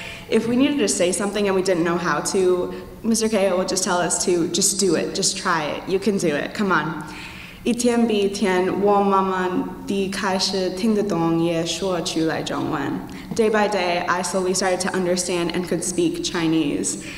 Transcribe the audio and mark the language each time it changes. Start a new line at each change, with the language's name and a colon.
English: If we needed to say something and we didn't know how to, Mr. Keo would just tell us to just do it, just try it, you can do it, come on.
Chinese: 一天比一天，我慢慢地开始听得懂，也说出来中文.
English: Day by day, I slowly started to understand and could speak Chinese.